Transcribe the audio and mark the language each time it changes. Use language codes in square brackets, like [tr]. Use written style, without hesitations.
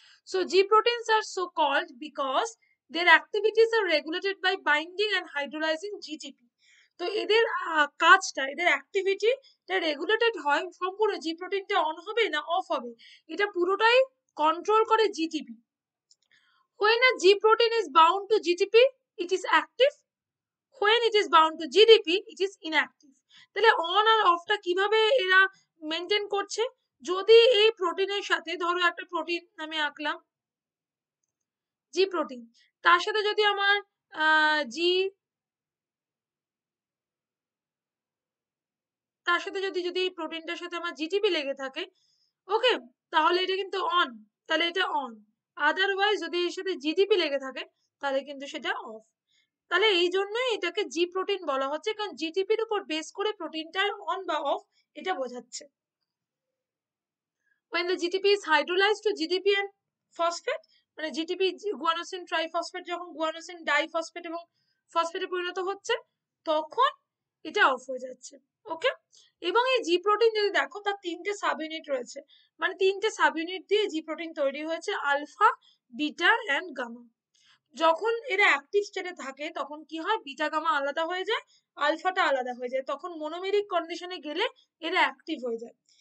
[en] So G proteins are so called because their activities are regulated by binding and hydrolysing GTP. [bn] তো এদের কাজটা, এদের অ্যাক্টিভিটিটা regulated হয়, সম্পূর্ণ জি প্রোটিনটা অন হবে না অফ হবে এটা পুরোটাই কন্ট্রোল করে GTP. [en] When a G protein is bound to GTP, it is active. When it is bound to GDP, it is inactive. [bn] তাহলে অন আর অফ টা কিভাবে এরা মেইনটেইন করছে? যদি এই প্রোটিনের সাথে ধরো একটা প্রোটিন আমি আঁকলাম জি প্রোটিন, তার সাথে যদি আমার জি, তার সাথে যদি যদি এই প্রোটিনটার সাথে আমার জিটিপি লেগে থাকে, ওকে, তাহলে এটা কিন্তু অন, তাহলে এটা অন। আদারওয়াইজ যদি এর সাথে জিডিপি লেগে থাকে তাহলে কিন্তু সেটা অফ। তাহলে এই জন্যই এটাকে জি প্রোটিন বলা হচ্ছে, কারণ জিডিপি এর উপর বেস করে প্রোটিনটা অন বা অফ এটা বোঝাচ্ছে। [en] When the GTP is hydrolyzed to GDP and phosphate, [bn] মানে GTP guanosine triphosphate যখন guanosine diphosphate এবং phosphate এ পরিণত হচ্ছে তখন এটা অফ হয়ে যাচ্ছে, ওকে। এবং এই জি প্রোটিন যদি দেখো তার তিনটে সাব ইউনিট রয়েছে, মানে তিনটে সাব ইউনিট দিয়ে জি প্রোটিন তৈরি হয়েছে, আলফা বিটা অ্যান্ড গামা। যখন এরা অ্যাক্টিভ স্টেটে থাকে তখন কি হয়, বিটা গামা আলাদা হয়ে যায়, আলফাটা আলাদা হয়ে যায়, তখন মনোমেরিক কন্ডিশনে গেলে এরা অ্যাক্টিভ হয়ে যায়।